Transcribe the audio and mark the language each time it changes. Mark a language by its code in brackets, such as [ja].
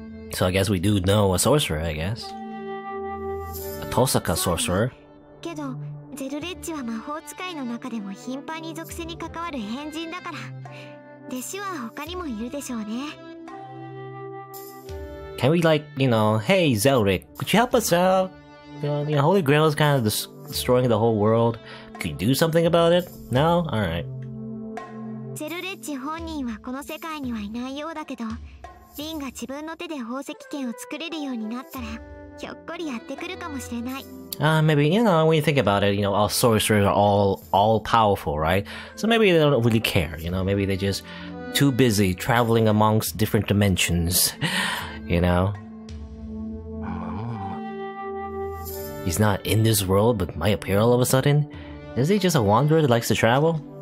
[en] So I guess we do know a sorcerer, I guess. A Tosaka sorcerer. [ja] けど、ゼルレッチは魔法使いの中でも頻繁に属性に関わる変人だから。弟子は他にもいるでしょうね。 [en] Can we like, you know, hey Zelric, could you help us out? You know, Holy Grail is kind of destroying the whole world. Could you do something about it? No? Alright. [ja] ゼルレッチ本人はこの世界にはいないようだけど、リンが自分の手で宝石剣を作れるようになったら、ひょっこりやってくるかもしれない。 [en] Maybe, you know, when you think about it, you know, all sorcerers are all powerful, right? So maybe they don't really care, you know, maybe they're just too busy traveling amongst different dimensions, you know? He's not in this world, but might appear all of a sudden? Is he just a wanderer that likes to travel?